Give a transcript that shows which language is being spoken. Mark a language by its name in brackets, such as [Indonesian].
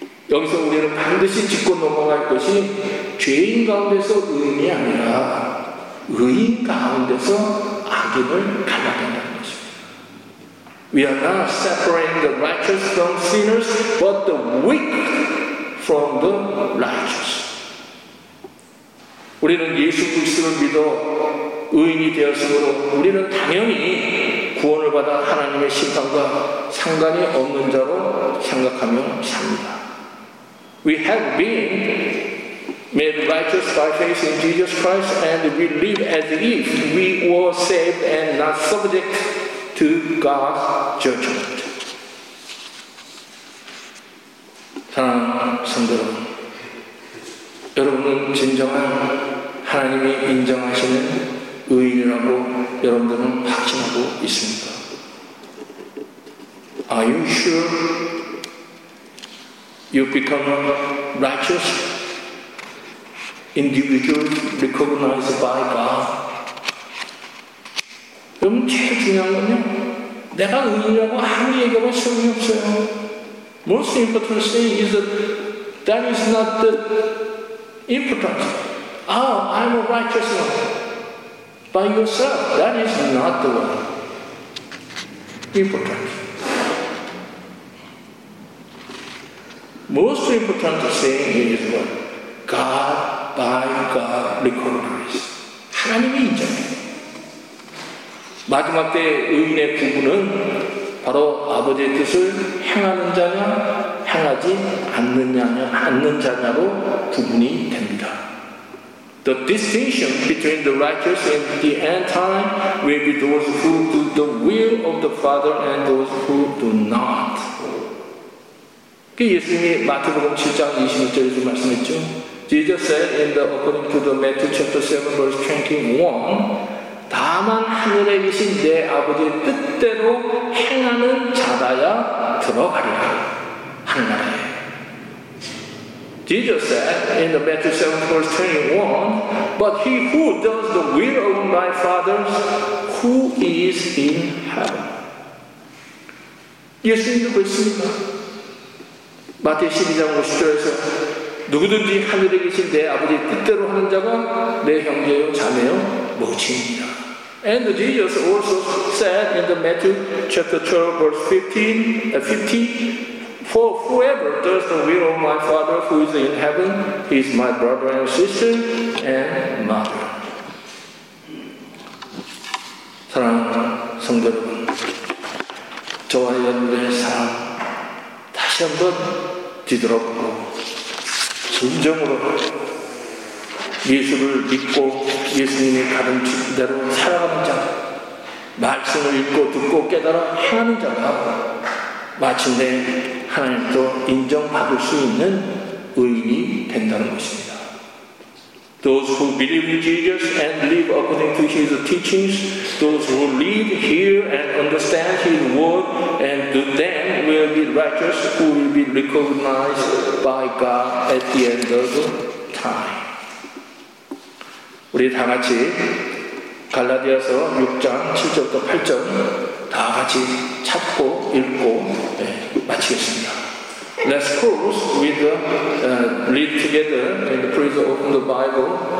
[Korean] 여기서 우리는 반드시 짚고 넘어갈 것이 죄인 가운데서 의인이 아니라 의인 가운데서 악인을 갈라낸다는 것입니다. [English] We are not separating the righteous from sinners, but the weak from the righteous. [Korean] 우리는 예수 그리스도를 믿어 의인이 되었으므로 우리는 당연히 구원을 받아 하나님의 심판과 상관이 없는 자로 생각하며 삽니다. [English] We have been made righteous by faith in Jesus Christ and we live as if we were saved and not subject to God's judgment. [Korean] 사랑하는 성도 여러분, 여러분은 진정한 하나님이 인정하시는 의인이라고 여러분들은 확신하고 있습니다. [English] Are you sure? You become a righteous individual recognized by God. [Korean] 여러분, 제일 중요한 건요, 내가 의인이라고 아무 얘기하면 소용이 없어요. [English] Most important thing is that is not the important. Oh, I'm a righteous one. By yourself, that is not the one. Important. Most important saying is what? God by God recognizes. [Korean] 하나님이 인정해요. 마지막 때 의인의 부분은 바로 아버지의 뜻을 행하는 자냐 행하지 않느냐냐 않는 자냐로 구분이 됩니다. [English] The distinction between the righteous and the end time will be those who do the will of the Father and those who do not. [Korean] 예수님이 마태복음 7장 26절에서 말씀했죠. [English] Jesus said in the according to the Matthew chapter 7 verse 21, [Korean] 다만 하늘에 계신 내 아버지의 뜻대로 행하는 자라야 들어가리라 하는 말이에요. [English] Jesus said in the Matthew 7 verse 21, but he who does the will of my Father who is in heaven. [Korean] 예수님도 그랬습니다. 마태 12장 50절에서 누구든지 하늘에 계신 내 아버지 뜻대로 하는 자가 내 형제요 자매요 모친이라. [English] And Jesus also said in the Matthew chapter 12 verse 50, for whoever does the will of my Father who is in heaven, he is my brother and sister and mother. [Korean] 사랑하는 성도 여러분, 저와 여러분의 사랑 다시 한번 뒤돌아보고 진정으로 예수를 믿고 예수님의 가르침 대로 살아가는 자, 말씀을 읽고 듣고 깨달아 행하는 자가 마침내 하나님도 인정받을 수 있는 의인이 된다는 것입니다. [English] Those who believe in Jesus and live according to his teachings, those who live, hear, and understand his word, and do them will be righteous, who will be recognized by God at the end of time. [Korean] 우리 다 같이 갈라디아서 6장 7절부터 8절 다 같이 찾고 읽고 네, 마치겠습니다. [English] Let's close with read together and please open the Bible.